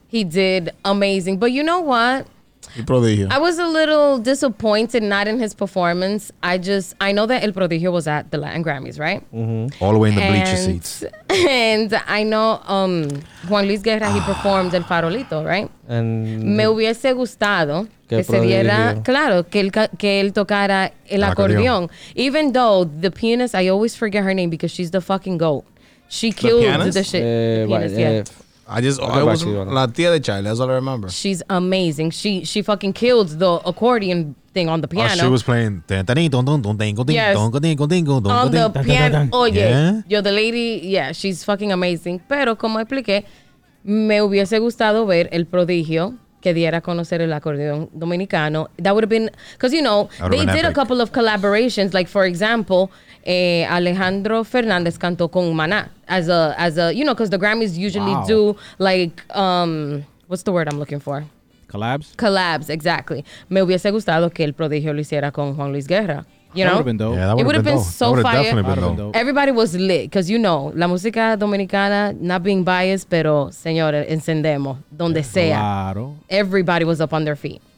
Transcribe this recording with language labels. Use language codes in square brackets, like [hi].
[en] He did amazing. But you know what? El Prodigio. I was a little disappointed, not in his performance. I know that El Prodigio was at the Latin Grammys, right? Mm-hmm. All the way in the bleacher seats. And I know Juan Luis Guerra, he performed El Farolito, right? And [es] me hubiese gustado que se diera, claro, que él tocara el acordeón. [en] Even though the pianist, I always forget her name because she's the fucking goat. She killed the shit. [es] La tía de Charlie, [en] that's all I remember. She's amazing. She fucking killed the accordion thing on the piano. She was playing. On the piano. [es] Oye, [en] yo, the lady, she's fucking amazing. [es] Pero como expliqué, me hubiese gustado ver el prodigio que diera a conocer el acordeón dominicano. [en] That would have been, because, you know, they did a couple of collaborations. [es] Like, for example, Alejandro Fernandez cantó con Maná. [en] As a you know, because the Grammys usually do like what's the word I'm looking for? Collabs, exactly. [es] Me hubiese gustado que el prodigio lo hiciera con Juan Luis Guerra. [en] You know, been dope. Yeah, it would have been so that fire. Been dope. Everybody was lit because you know, [es] la música dominicana, [en] not being biased, [es] pero señores, encendemos donde sea. Claro. [en] Everybody was up on their feet.